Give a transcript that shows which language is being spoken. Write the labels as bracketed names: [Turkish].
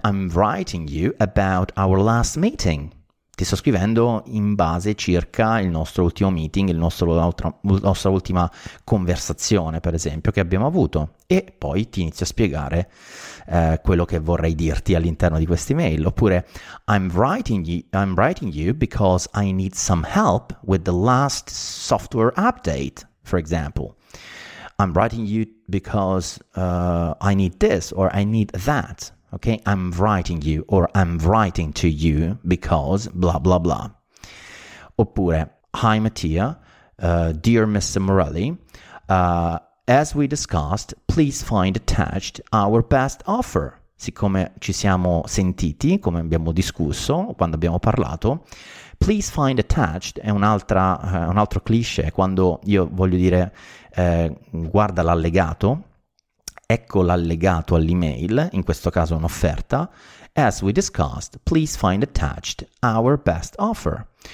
[English] I'm writing you about our last meeting. [Italian] Ti sto scrivendo in base circa il nostro ultimo meeting, il nostro nostra ultima conversazione, per esempio, che abbiamo avuto. E poi ti inizio a spiegare quello che vorrei dirti all'interno di questa email. Oppure, [English] I'm writing you because I need some help with the last software update, for example. I'm writing you because I need this or I need that. Okay, I'm writing you or I'm writing to you because blah blah blah. [Italian] Oppure, [English] hi Mattia, dear Mr. Morelli, as we discussed, please find attached our best offer. [Italian] Siccome ci siamo sentiti, come abbiamo discusso, quando abbiamo parlato, [English] please find attached [Italian] è un altro cliché, quando io voglio dire guarda l'allegato. Ecco l'allegato all'email, in questo caso un'offerta. [English] As we discussed, please find attached our best offer.